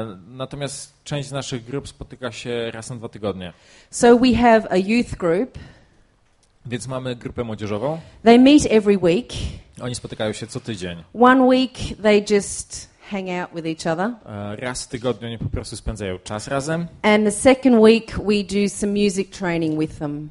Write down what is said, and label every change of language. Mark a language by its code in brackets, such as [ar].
[pl] Natomiast część z naszych grup spotyka się raz na dwa tygodnie. [en] So we have a youth group. [pl] Więc mamy grupę młodzieżową. [en] They meet every week. [pl] Oni spotykają się co tydzień. [en] One week they just hang out with each other. [pl] Raz w tygodniu oni po prostu spędzają czas razem. [en] And the second week we do some music training with them.